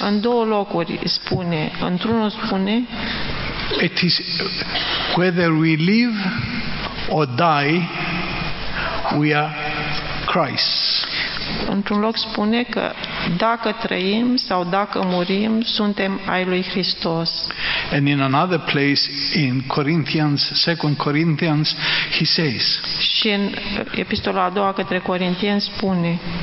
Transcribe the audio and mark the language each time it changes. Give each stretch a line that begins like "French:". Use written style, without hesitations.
Romanian: În două locuri spune, într-unul spune,
English: it is whether we live or die, we are Christ.
Romanian: Într-un loc spune că dacă trăim sau dacă murim, suntem ai lui Hristos.
English: And in another place in Corinthians, 2 Corinthians, he says.
Romanian: Și în epistola a doua către Corinteni spune.